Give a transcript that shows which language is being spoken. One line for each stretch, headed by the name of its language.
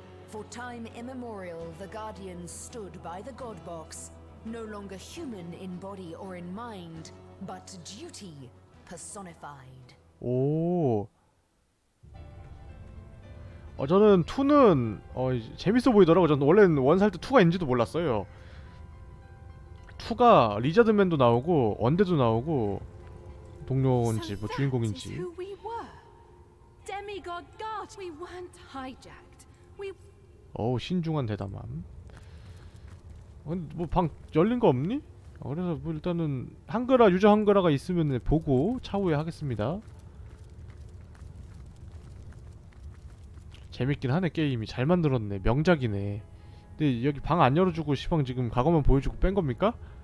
English: For time immemorial, the Guardians stood by the God Box, no longer human in body or in mind, but duty personified.
Korean: 오. 어 저는 2는 어 재밌어 보이더라고. 전 원래는 1 살 때 2가 있는지도 몰랐어요. 2가 리자드맨도 나오고 원대도 나오고 동료인지 뭐 주인공인지.
English: Demigod God, we weren't hijacked. We
Korean: 어우 신중한 대담함. 근데 뭐 방 열린 거 없니? 그래서 뭐 일단은 한글화 유저 한글화가 있으면 보고 차후에 하겠습니다. 재밌긴 하네 게임이. 잘 만들었네. 명작이네. 근데 여기 방 안 열어주고 시방 지금 과거만 보여주고 뺀 겁니까?